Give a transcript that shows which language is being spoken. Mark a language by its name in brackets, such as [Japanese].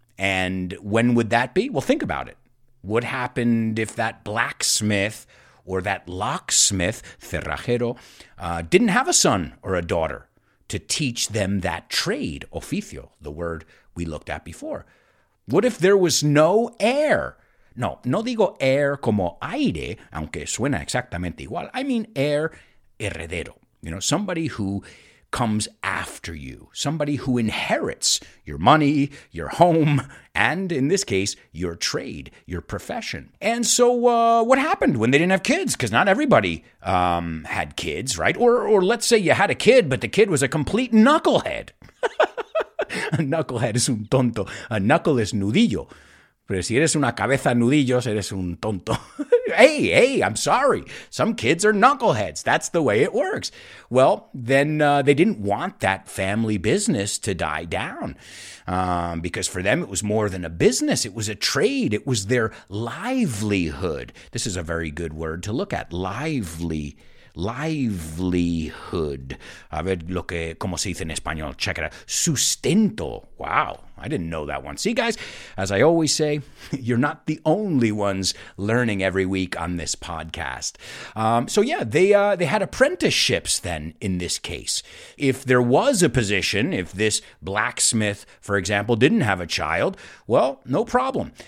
[English] And when would that be? Well, think about it. What happened if that blacksmith or that locksmith, cerrajero, didn't have a son or a daughter to teach them that trade, oficio, the word we looked at before? What if there was no heir? [Spanish] No, no digo heir como aire, aunque suena exactamente igual. [English] I mean heir heredero, you know, somebody who comes after you, somebody who inherits your money, your home, and in this case, your trade, your profession. And so what happened when they didn't have kids? Because not everybody had kids, right? Or let's say you had a kid, but the kid was a complete knucklehead. A knucklehead is [Spanish] un tonto. [English] A knuckle is nudillo. [Spanish] Pero si eres una cabeza nudillos, eres un tonto. [English] Hey, I'm sorry. Some kids are knuckleheads. That's the way it works. Well, then they didn't want that family business to die down. Because for them, it was more than a business. It was a trade. It was their livelihood. This is a very good word to look at. Livelihood. [Spanish] A ver lo que, como se dice en español. [English] Check it out. Sustento. Wow. I didn't know that one. See, guys, as I always say, you're not the only ones learning every week on this podcast. So they had apprenticeships then in this case. If there was a position, if this blacksmith, for example, didn't have a child, well, no problem.